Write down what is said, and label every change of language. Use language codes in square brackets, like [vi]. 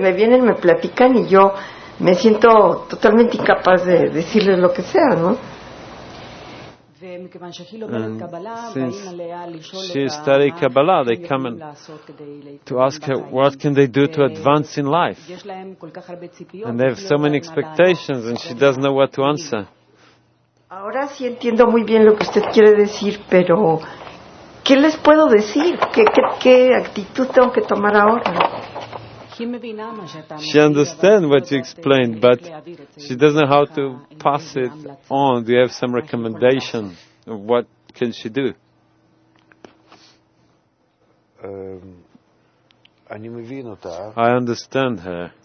[es] Me vienen, me platican y yo me siento totalmente incapaz de decirles lo que sea, ¿no? [en] Since she studied Kabbalah, they come and to ask her what can they do to advance in life. And they have so many expectations and she doesn't know what to answer. [es] Ahora sí entiendo muy bien lo que usted quiere decir, pero ¿qué les puedo decir? ¿Qué actitud tengo que tomar ahora? [en] She understands what you explained, but she doesn't know how to pass it on. Do you have some recommendation of what can she do? I understand her.